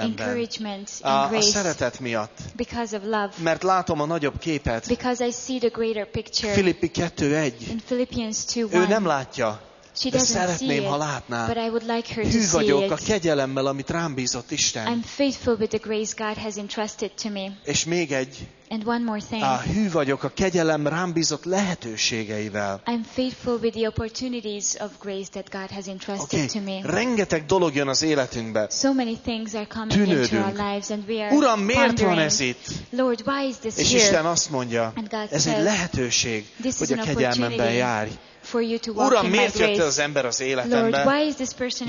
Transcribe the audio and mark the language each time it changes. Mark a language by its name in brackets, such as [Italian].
[English] Encouragement and [Hungarian] grace. A szeretet miatt. [English] Because of love. [Hungarian] Mert látom a nagyobb képet. [English] Because I see the greater picture. [Hungarian] Filippi 2:1. [English] In Philippians 2:1. [Hungarian] Ő nem látja. [English] She doesn't [Hungarian] szeretném, [English] see [Hungarian] ha látná. [English] But I would like her [Hungarian] hű [English] to see [Hungarian] vagyok [English] it. [Hungarian] A kegyelemmel, amit rám bízott Isten. [English] I'm faithful with the grace God has entrusted to me. [Hungarian] És még egy. [English] And one more thing. [Hungarian] Hű vagyok a kegyelem rám bízott lehetőségeivel. [English] I'm faithful with the opportunities of grace that God has entrusted okay. to me. [Hungarian] Rengeteg dolog jön az életünkbe. [English] So many things are coming [Hungarian] tűnődünk. [English] Into our lives and we are [Hungarian] Uram, miért [English] pondering. [Hungarian] Van ez itt? [English] Lord, why is this [Hungarian] és [English] here? [Hungarian] És Isten azt mondja, [English] and God [Hungarian] ez [English] says, [Hungarian] egy lehetőség, [English] this [Hungarian] hogy a kegyelmemben járj. [English] For you to walk [Hungarian] Uram, [English] in [Hungarian] miért [English] my grace? [Hungarian] Jött az ember az életembe? [English] Lord, why is this person